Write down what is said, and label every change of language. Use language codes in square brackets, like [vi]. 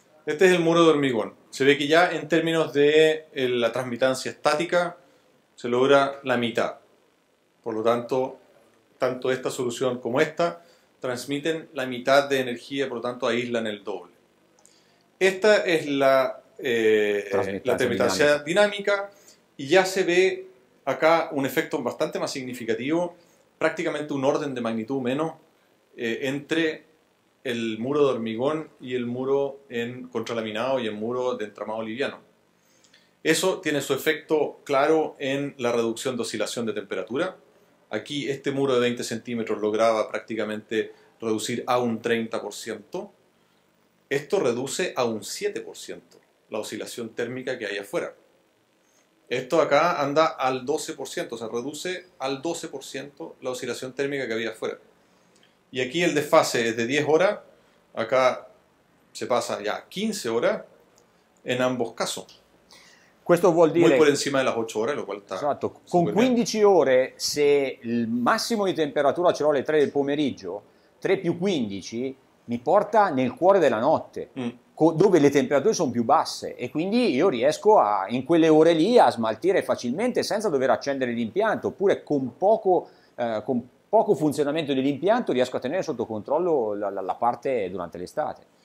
[it] Questo è il muro d'ormigone. Si vede che già in termini della trasmittanza statica [es] si logra [it] la metà. [es] Por lo tanto, [it] tanto questa soluzione come questa trasmettono la metà di energia, [es] por lo tanto aislano [it] il doble. Questa è la... la trasmittanza dinamica, [es] y ya se ve acá un efecto bastante más significativo, prácticamente un orden de magnitud menos entre el muro de hormigón y el muro en contralaminado y el muro de entramado liviano. Eso tiene su efecto claro en la reducción de oscilación de temperatura. Aquí este muro de 20 centímetros lograba prácticamente reducir a un 30%. Esto reduce a un 7% la oscilación térmica que hay afuera. Esto acá anda al 12%, o sea, reduce al 12% la oscilación térmica que había afuera. Y aquí el desfase es de 10 horas, acá se pasa ya 15 horas en ambos casos. [it] Questo vuol dire [es] muy por encima de las 8 horas, lo cual está... [it] Esatto. Con 15 ore, se il massimo di temperatura ce l'ho alle 3 del pomeriggio, 3 più 15 mi porta nel cuore della notte. Dove le temperature sono più basse e quindi io riesco a, in quelle ore lì a smaltire facilmente senza dover accendere l'impianto, oppure con poco funzionamento dell'impianto riesco a tenere sotto controllo la parte durante l'estate.